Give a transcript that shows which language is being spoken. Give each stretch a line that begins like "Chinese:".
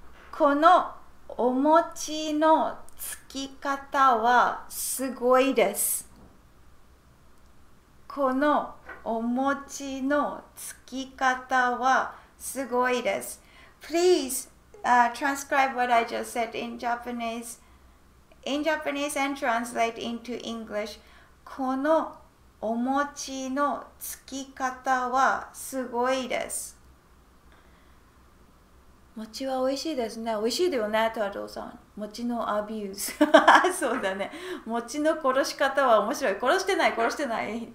Japanese: このお餅のつき方はすごいです。このお餅のつき方はすごいです。
English: Please, transcribe what I just said in Japanese. In Japanese and translate into English.
Japanese: このお餅のつき方はすごいです。餅は美味しいですね。美味しいだよね、トラドさん。餅のアビューズ。そうだね。餅の殺し方は面白い。殺してない、殺してない。